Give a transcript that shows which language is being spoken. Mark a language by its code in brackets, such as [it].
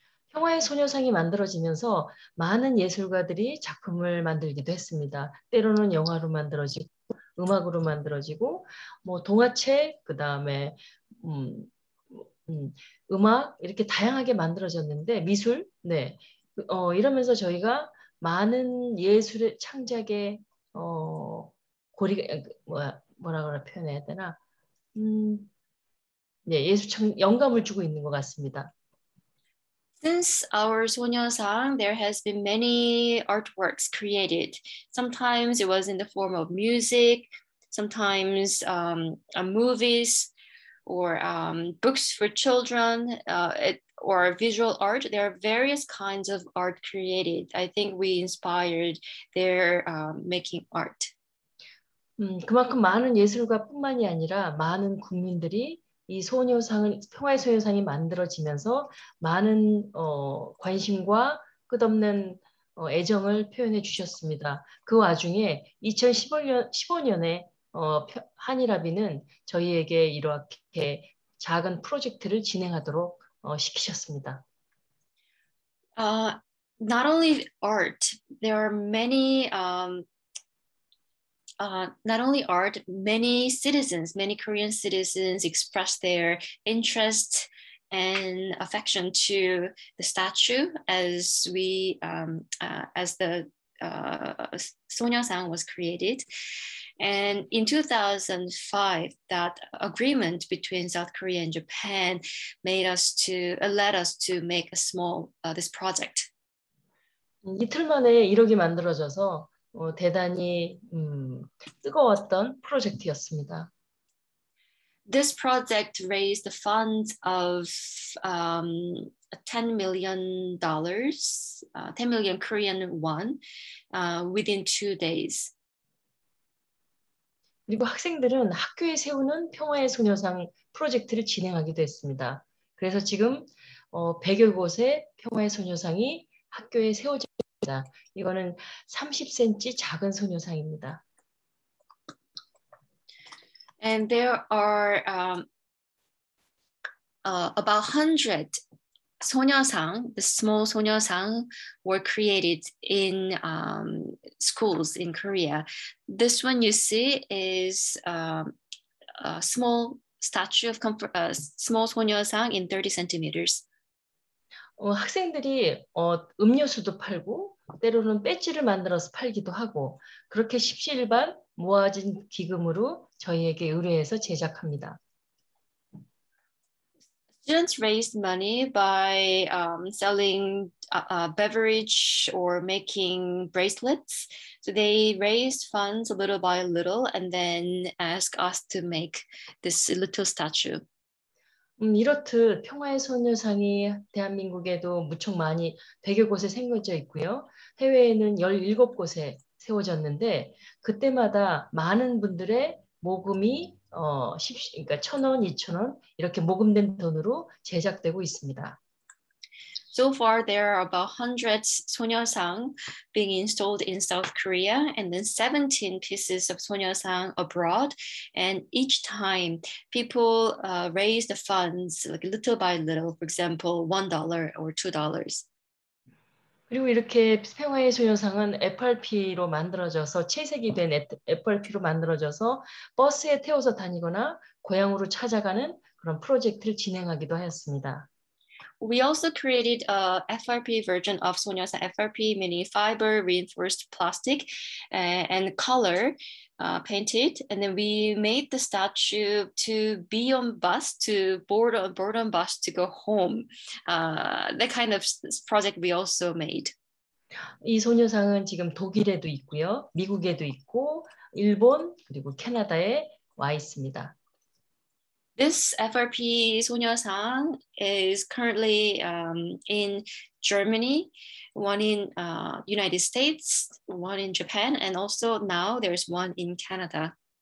[ko] 평화의 소녀상이 만들어지면서 많은 예술가들이 작품을 만들기도 했습니다. 때로는 영화로 만들어지고 음악으로 만들어지고 뭐 동화책 그다음에 음악 이렇게 다양하게 만들어졌는데 미술 네. 이러면서 저희가 많은 예술의 창작의 고리가 뭐라고 표현해야 되나? 네, 예술창 영감을 주고 있는 것 같습니다. [en] Since our Sonyeosang, there has been many artworks created. Sometimes it was in the form of music, sometimes movies or books for children or visual art. There are various kinds of art created. I think we inspired their making art. [ko] 그만큼 많은 예술가뿐만이 아니라 많은 국민들이 이 소녀상을 평화의 소녀상이 만들어지면서 많은 관심과 끝없는 애정을 표현해 주셨습니다. 그 와중에 2015년에 한일아비는 저희에게 이렇게 작은 프로젝트를 진행하도록 시키셨습니다. [en] Not only art, there are many not only art, many citizens, many Korean citizens express their interest and affection to the statue as we as the Sonyeosang was created. And in 2005, that agreement between South Korea and Japan led us to make a small this project. [ko] 이틀 만에 1억이 만들어져서 대단히 뜨거웠던 프로젝트였습니다. [en] This project raised the funds of $10 million, 10 million Korean won within 2 days. [ko] 그리고 학생들은 학교에 세우는 평화의 소녀상 프로젝트를 진행하기도 했습니다. 그래서 지금 100여 곳의 평화의 소녀상이 학교에 세워져 이거는 30cm 작은 소녀상입니다. [en] And there are about 100 소녀상, the small 소녀상 were created in schools in Korea. This one you see is a small statue of comfort, a small 소녀상 in 30cm. [ko] 학생들이 음료수도 팔고 때로는 배지를 만들어서 팔기도 하고 그렇게 십시일반 모아진 기금으로 저희에게 의뢰해서 제작합니다. [en] Students raised money by selling beverage or making bracelets. So they raised funds little by little and then asked us to make this little statue. [ko] 이렇듯 평화의 소녀상이 대한민국에도 무척 많이 100여 곳에 생겨져 있고요. 해외에는 17곳에 세워졌는데 그때마다 많은 분들의 모금이 그러니까 1,000원, 2,000원 이렇게 모금된 돈으로 제작되고 있습니다. [en] So far, there are about 100 Sonyeosang being installed in South Korea, and then 17 pieces of Sonyeosang abroad. And each time, people raise the funds like little by little, for example, $1 or $2. [ko] 그리고 이렇게 평화의 소녀상은 FRP로 만들어져서 채색이 된 FRP로 만들어져서 버스에 태워서 다니거나 고향으로 찾아가는 그런 프로젝트를 진행하기도 하였습니다. [en] We also created a FRP version of Sonyeosang FRP, meaning fiber reinforced plastic and color painted. And then we made the statue to be on bus, to board on bus to go home. That kind of project we also made. [ko] 이 소녀상은 지금 독일에도 있고요, 미국에도 있고, 일본, 그리고 캐나다에 와 있습니다. [en] This FRP Sonyeosang is currently in Germany, one in United States, one in Japan, and also now there's one in Canada.